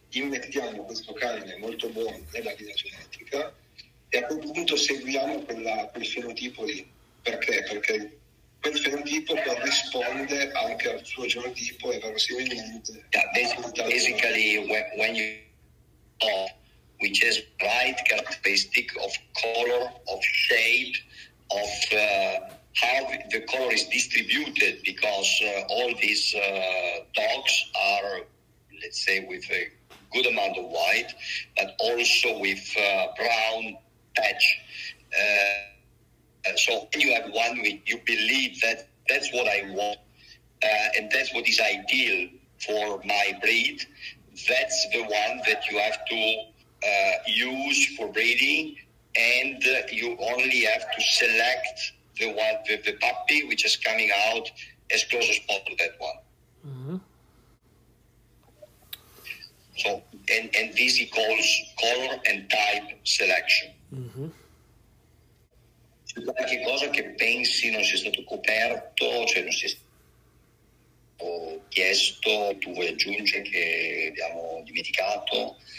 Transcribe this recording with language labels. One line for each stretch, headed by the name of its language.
Italian: Immettiamo questo cane molto buono nella linea genetica, e a quel punto seguiamo quel fenotipo lì. Perché? Perché quel fenotipo corrisponde anche al suo genotipo e verosimilmente.
English: Basically, when you have, which is right characteristic of color, of shape, of how the color is distributed, because all these dogs are, let's say, with a good amount of white, but also with brown patch. So when you have one, you believe that's what I want, and that's what is ideal for my breed, that's the one that you have to use for breeding, and you only have to select the one, the puppy which is coming out as close as possible to that one. Mm-hmm. So, and this he calls color and type selection. Mm-hmm.
Italian: C'è qualche cosa che pensi non sia stato coperto, cioè non si è stato chiesto, tu vuoi aggiungere che abbiamo dimenticato?